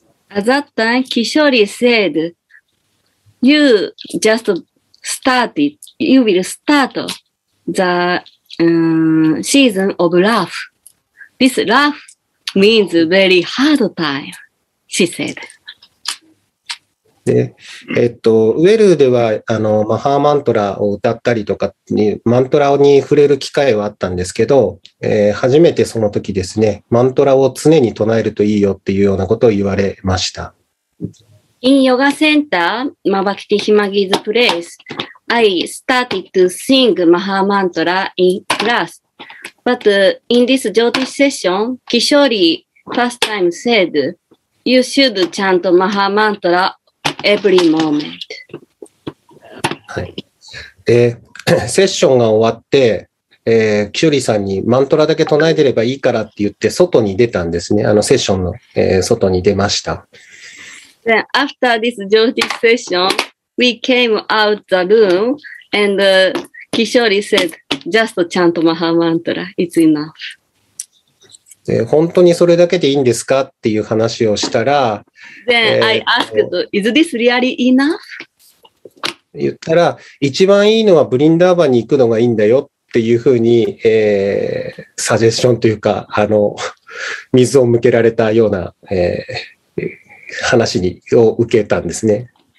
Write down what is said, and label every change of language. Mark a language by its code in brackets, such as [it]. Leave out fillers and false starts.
[en] At that time, Kishori said, "You just started. You will start the season of laugh. This laugh means very hard time," she said. [ja] で、ウェルでは、マハーマントラを歌ったりとかに、マントラに触れる機会はあったんですけど、初めてその時ですね、マントラを常に唱えるといいよっていうようなことを言われました。 [en] In yoga center, Mabakti Himagi's place, I started to sing Maha Mantra in class. But in this Jyotish session, Kishori first time said, "You should chant Maha Mantra. Every moment. [ja] はい、でセッションが終わって、キュリさんにマントラだけ唱えてればいいからって言って外に出たんですね。セッションの、外に出ました。 [en] Then after this Jyotish session, we came out the room and Kishori said, "Just chant Maha Mantra. It's enough." [ja] で本当にそれだけでいいんですかっていう話をしたら、 [en] Then I asked, "Is this really enough?" [ja] 言ったら、一番いいのはブリンダーバンに行くのがいいんだよっていうふうに、サジェスションというか、水を向けられたような、話を受けたんですね。